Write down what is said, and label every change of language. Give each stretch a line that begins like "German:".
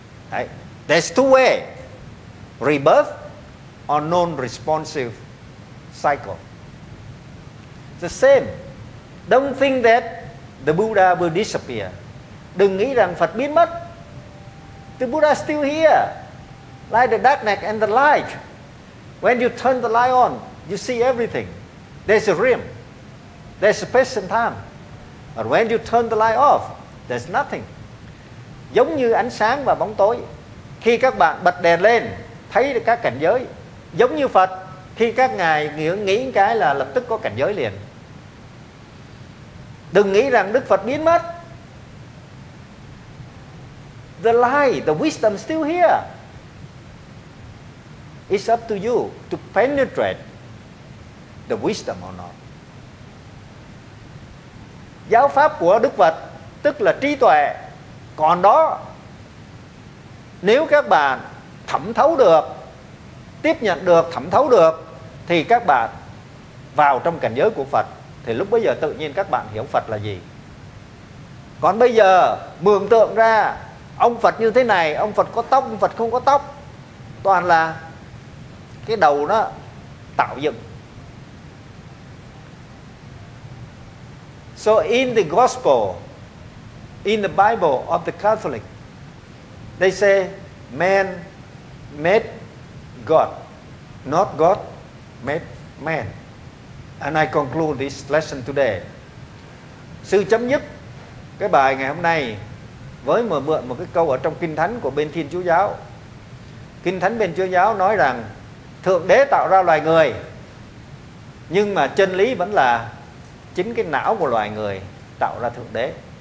Vietnamese: Đấy.
English: There's two way: rebirth or non-responsive cycle. The same. Don't think that the Buddha will disappear.
Vietnamese: Đừng nghĩ rằng Phật biến mất.
English: The Buddha still here, like the darkness and the light. When you turn the light on, you see everything. There's a rim. There's a space and time. But when you turn the light off, there's nothing.
Vietnamese: Giống như ánh sáng và bóng tối. Khi các bạn bật đèn lên, thấy được các cảnh giới. Giống như Phật, khi các ngài nghĩ cái là lập tức có cảnh giới liền. Đừng nghĩ rằng Đức Phật biến mất.
English: The light, the wisdom still here. It's up to you to penetrate the wisdom or not.
Vietnamese: Giáo pháp của Đức Phật, tức là trí tuệ, còn đó. Nếu các bạn thẩm thấu được, tiếp nhận được, thẩm thấu được, thì các bạn vào trong cảnh giới của Phật, thì lúc bây giờ tự nhiên các bạn hiểu Phật là gì. Còn bây giờ mường tượng ra ông Phật như thế này, ông Phật có tóc, ông Phật không có tóc, toàn là cái đầu nó tạo dựng.
English: So in the gospel, in the Bible of the Catholic, they say man made God, not God made man. And I conclude this lesson today.
Vietnamese: Sư chấm dứt cái bài ngày hôm nay với mà mượn một cái câu ở trong Kinh Thánh của bên Thiên Chúa Giáo. Kinh Thánh bên Chúa Giáo nói rằng Thượng Đế tạo ra loài người, nhưng mà chân lý vẫn là chính cái não của loài người tạo ra Thượng Đế.